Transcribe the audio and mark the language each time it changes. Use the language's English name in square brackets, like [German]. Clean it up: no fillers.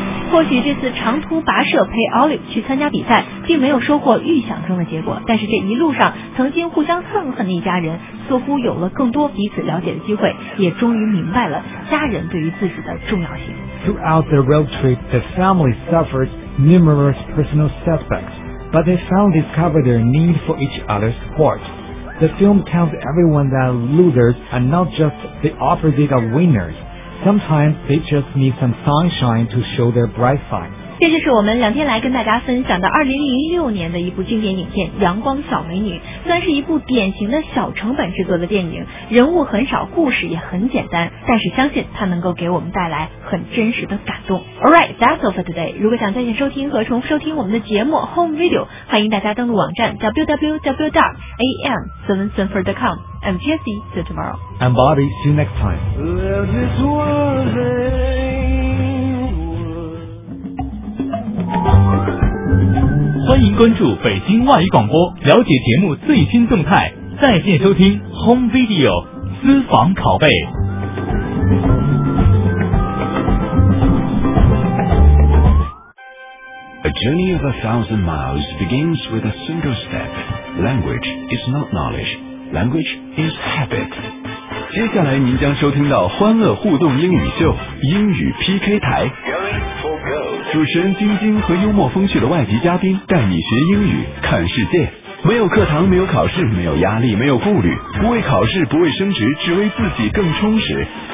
[Chinese] 或许这次长途跋涉陪 Olive 去参加比赛并没有收获预想中的结果，但是这一路上曾经互相憎恨的一家人似乎有了更多彼此了解的机会，也终于明白了家人对于自己的重要性。 [English] Throughout the road trip, the family suffered numerous personal setbacks, but they finally discovered their need for each other's support. The film tells everyone that losers are not just the opposite of winnersSometimes they just need some sunshine to show their bright side. [Chinese] 这就是我们两天来跟大家分享的2006年的一部经典影片《阳光小美女》，虽然是一部典型的小成本制作的电影，人物很少，故事也很简单，但是相信它能够给我们带来很真实的感动。 [English] Alright, that's all for today. [Chinese] 如果想在线收听和重复收听我们的节目 Home Video, 欢迎大家登录网站 www.am7sanford.com. [English] I'm Jessie, see you tomorrow. I'm Bobby, see you next time. [Chinese] 欢迎关注北京外语广播，了解节目最新动态，在线收听 Home Video 私房拷贝。 [English] A journey of 1,000 miles begins with a single step. Language is not knowledge, language is habit. [Chinese] 接下来您将收听到欢乐互动英语秀，英语 PK 台。主持人晶晶和幽默风趣的外籍嘉宾带你学英语看世界，没有课堂，没有考试，没有压力，没有顾虑，不为考试，不为升职，只为自己更充实。